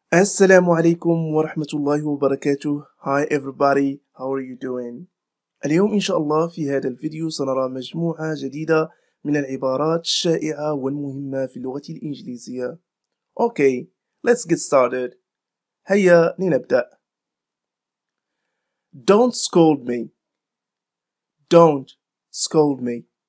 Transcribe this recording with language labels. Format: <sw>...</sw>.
<ar>السلام عليكم ورحمة الله وبركاته.</ar> <en>Hi everybody, how are you doing?</en> <ar>اليوم إن شاء الله في هذا الفيديو سنرى مجموعة جديدة من العبارات الشائعة والمهمة في اللغة الإنجليزية.</ar> <en>Okay, let's get started. هيا لنبدأ. Don't scold me. Don't scold me.</en>